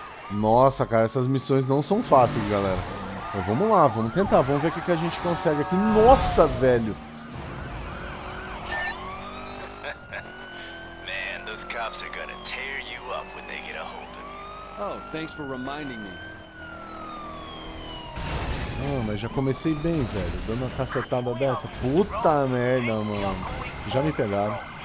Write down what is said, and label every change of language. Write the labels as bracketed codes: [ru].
[pt] Nossa, cara, essas missões não são fáceis, galera. Mas vamos lá, vamos tentar. Vamos ver o que a gente consegue aqui. Nossa, velho. [en] Man, those cops are gonna tear you up when they get a hold of you. Oh, thanks for reminding me. [pt] Ah, mas já comecei bem, velho. Dando uma cacetada dessa. Puta merda, mano. Já me pegaram.